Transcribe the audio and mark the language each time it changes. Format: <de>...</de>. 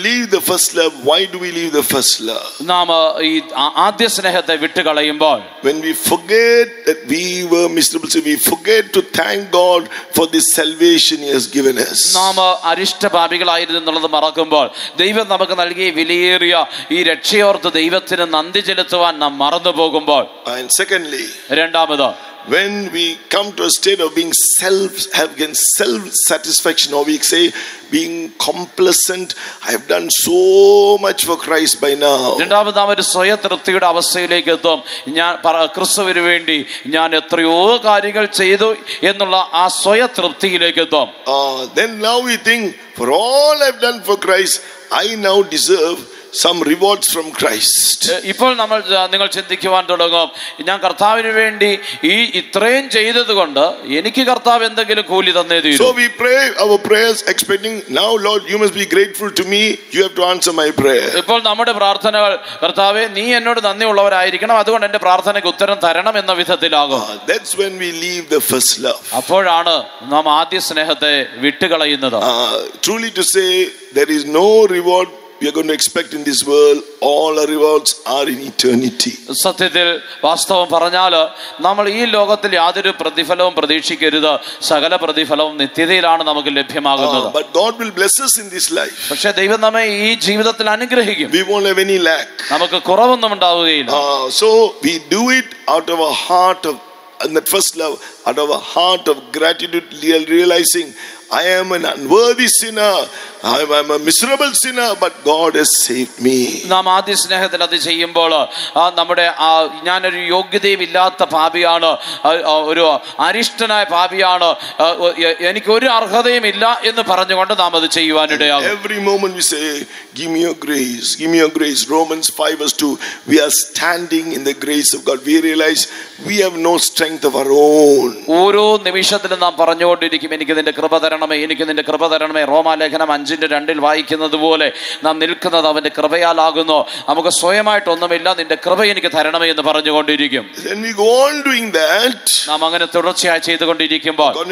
<en>If we leave the first love, why do we leave the first love?</en> <ml>നാം ഈ ആദ്യ സ്നേഹത്തെ വിട്ടു കളയുമ്പോൾ,</ml> <en>when we forget that we were miserable, so we forget to thank God for this salvation he has given us.</en> <ml>നാം അരിഷ്ടപാപികളായിരുന്നു എന്നുള്ളത് മറക്കുമ്പോൾ ദൈവം നമുക്ക് നൽകിയ വിലയേറിയ ഈ രക്ഷയോർത്ത് ദൈവത്തിന് നന്ദി ചെലുത്തുവാൻ നാം മറന്നു പോകുമ്പോൾ,</ml> <en>and secondly,</en> <ml>രണ്ടാമത്,</ml> <en>when we come to a state of being self-satisfaction, or we say being complacent, I have done so much for Christ by now,</en> <ml>രണ്ടാമതൊരു സ്വയതൃപ്തിയുടെ അവസ്ഥയിലേക്ക് എത്തും. ഞാൻ ക്രിസ്തുവിന് വേണ്ടി ഞാൻ എത്രയോ കാര്യങ്ങൾ ചെയ്തു എന്നുള്ള ആ സ്വയതൃപ്തിയിലേക്ക് എത്തും.</ml> <en>Then now we think, for all I've done for Christ, I now deserve some rewards from Christ.</en> <ml>ഇപ്പോൾ നമ്മൾ നിങ്ങൾ ചിന്തിക്കുവാൻ തുടങ്ങും, ഞാൻ കർത്താവിന് വേണ്ടി ഈ ഇത്രയും ചെയ്തതുകൊണ്ട് എനിക്ക് കർത്താവ് എന്തെങ്കിലും കൂലി തന്നേ തീരും.</ml> <en>So we pray our prayers expecting, now Lord, you must be grateful to me, you have to answer my prayer.</en> <ml>ഇപ്പോൾ നമ്മുടെ പ്രാർത്ഥനകൾ, കർത്താവേ നീ എന്നോട് നന്ദിയുള്ളവരായിരിക്കണം, അതുകൊണ്ട് എൻ്റെ പ്രാർത്ഥനയ്ക്ക് ഉത്തരം തരണം എന്ന വിധത്തിലാകും.</ml> <en>That's when we leave the first love.</en> <ml>അപ്പോഴാണ് നാം ആദ്യ സ്നേഹത്തെ വിട്ടുകളയുന്നത്.</ml> <en>Truly to say, there is no reward we are going to expect in this world. All our rewards are in eternity.</en> <ml>സത്യത്തിൽ വാസ്തവം പറഞ്ഞാല് നമ്മൾ ഈ ലോകത്തിൽ യാതൊരു പ്രതിഫലവും പ്രതീക്ഷിക്കരുത്. സകല പ്രതിഫലവും നിത്യതയിലാണ് നമുക്ക് ലഭ്യമാകുന്നത്.</ml> <en>But God will bless us in this life.</en> <ml>പക്ഷേ ദൈവം നമ്മെ ഈ ജീവിതത്തിൽ അനുഗ്രഹിക്കും.</ml> <en>We won't have any lack.</en> <ml>നമുക്ക് കുറവൊന്നും ഉണ്ടാവുകയില്ല.</ml> <en>So we do it out of our heart of, and that first love, out of a heart of gratitude, realizing I am an unworthy sinner, I am a miserable sinner, but God has saved me.</en> <ml>നാം ആദ്യ സ്നേഹത്തിൽ അത് ചെയ്യുമ്പോൾ നമ്മുടെ ഞാൻ ഒരു യോഗ്യതയും ഇല്ലാത്ത പാപിയാണ്, ഒരു അരിഷ്ടനായ പാപിയാണ്, എനിക്ക് ഒരു അർഹതയും ഇല്ല എന്ന് പറഞ്ഞുകൊണ്ട് നാം അത് ചെയ്യുവാനിടയാകും.</ml> <en>Every moment we say, give me your grace. Romans 5:2, we are standing in the grace of God. We realize we have no strength of our own.</en> <ml>ഓരോ നിമിഷത്തിലും നാം പറഞ്ഞുകൊണ്ടിരിക്കും, എനിക്ക് നിന്റെ കൃപ തരണമേ, എനിക്ക് നിന്റെ കൃപ തരണമേ. Romans 5:2 വായിക്കുന്നത് പോലെ നാം നിൽക്കുന്നത് അവന്റെ കൃപയാലാകുന്നു. നമുക്ക് സ്വയമായിട്ടൊന്നുമില്ല, നിന്റെ കൃപ എനിക്ക് തരണമേ എന്ന് പറഞ്ഞുകൊണ്ടിരിക്കും.</ml> <en>Then we go on doing that.</en> <ml>നാം അങ്ങനെ തുടർച്ചയായി ചെയ്തുകൊണ്ടിരിക്കുമ്പോൾ,</ml>